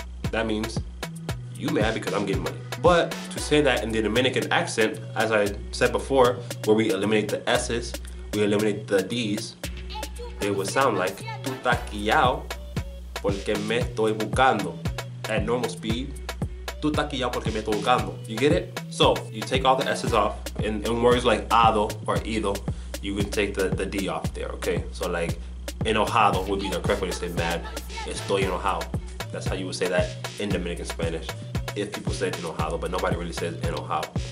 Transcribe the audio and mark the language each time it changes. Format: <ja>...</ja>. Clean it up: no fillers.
<en>That means, you mad because I'm getting money. But to say that in the Dominican accent, as I said before, where we eliminate the S's, we eliminate the D's, it would sound like,</en> <es>tú estás quillado porque me estoy buscando.</es> <en>At normal speed,</en> <es>tú estás quillado porque me estoy buscando.</es> <en>You get it? So you take all the S's off, and in words like ado or ido, you can take the D off there, okay? So like, enojado would be the correct way to say mad.</en> <es>Estoy enojado.</es> <en>That's how you would say that in Dominican Spanish, if people said enojado, but nobody really says enojado.</en>